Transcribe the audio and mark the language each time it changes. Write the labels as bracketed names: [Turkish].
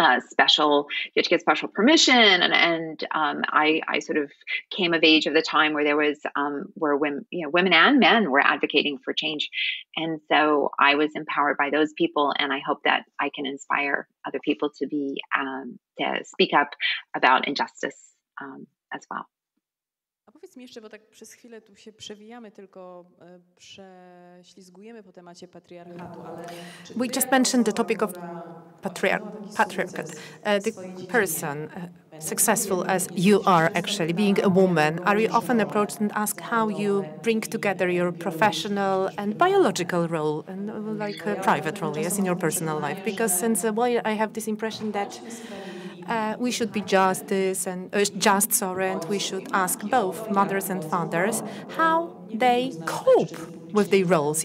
[English] Special, you had to get special permission. And I sort of came of age of the time where there was, where women, you know, women and men were advocating for change. And so I was empowered by those people. And I hope that I can inspire other people to be, to speak up about injustice as well. [Polish] Powiedz mi jeszcze, bo tak przez chwilę tu się przewijamy, tylko prześlizgujemy po temacie patriarchatu, ale... [English] We just mentioned the topic of patriarchate. The person successful as you are, actually, being a woman, are you often approached and asked how you bring together your professional and biological role, and like a private role, yes, in your personal life? Because since a while I have this impression that... we should be justice and and we should ask both mothers and fathers how they cope with their roles.